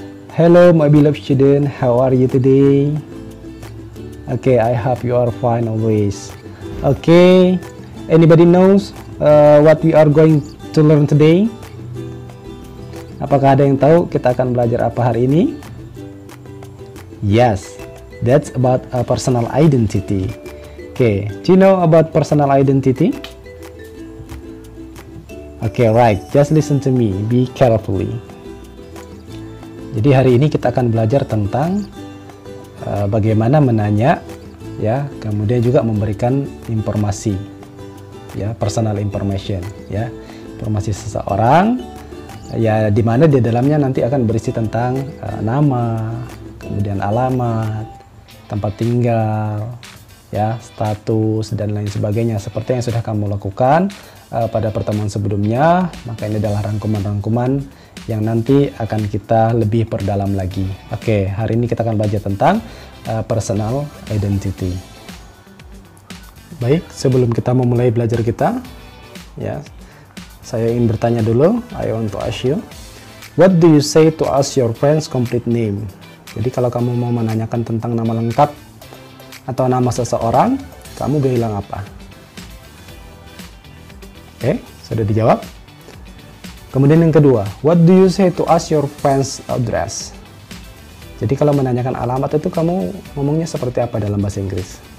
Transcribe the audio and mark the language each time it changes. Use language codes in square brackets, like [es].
[en] Hello my beloved student, how are you today? Okay, I hope you are fine always. Okay, anybody knows what we are going to learn today? [id] Apakah ada yang tahu kita akan belajar apa hari ini? [en] Yes, that's about a personal identity. Okay, do you know about personal identity? Okay, right. Just listen to me. Be carefully. [id] Jadi hari ini kita akan belajar tentang bagaimana menanya, ya. Kemudian juga memberikan informasi, ya, personal information, ya, informasi seseorang, ya, di mana di dalamnya nanti akan berisi tentang nama, kemudian alamat, tempat tinggal, ya, status dan lain sebagainya. Seperti yang sudah kamu lakukan pada pertemuan sebelumnya, maka ini adalah rangkuman-rangkuman yang nanti akan kita lebih perdalam lagi. Oke, hari ini kita akan belajar tentang personal identity. Baik, sebelum kita memulai belajar kita, ya, saya ingin bertanya dulu. [en] I want to ask you, what do you say to ask your friend's complete name? [id] Jadi kalau kamu mau menanyakan tentang nama lengkap atau nama seseorang, kamu bilang apa? Oke, sudah dijawab. Kemudian yang kedua, [en] what do you say to ask your friend's address? [id] Jadi kalau menanyakan alamat itu kamu ngomongnya seperti apa dalam bahasa Inggris?